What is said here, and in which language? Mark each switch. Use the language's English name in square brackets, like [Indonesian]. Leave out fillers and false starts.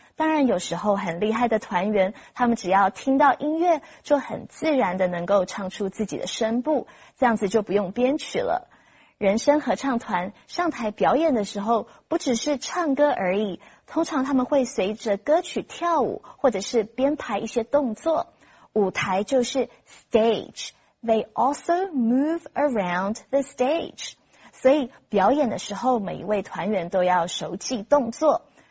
[Chinese] 当然有时候很厉害的团员，他们只要听到音乐，就很自然的能够唱出自己的声部，这样子就不用编曲了。人声合唱团上台表演的时候，不只是唱歌而已，通常他们会随着歌曲跳舞，或者是编排一些动作。舞台就是 [English] stage, they also move around the stage. [Chinese] 所以表演的时候，每一位团员都要熟记动作。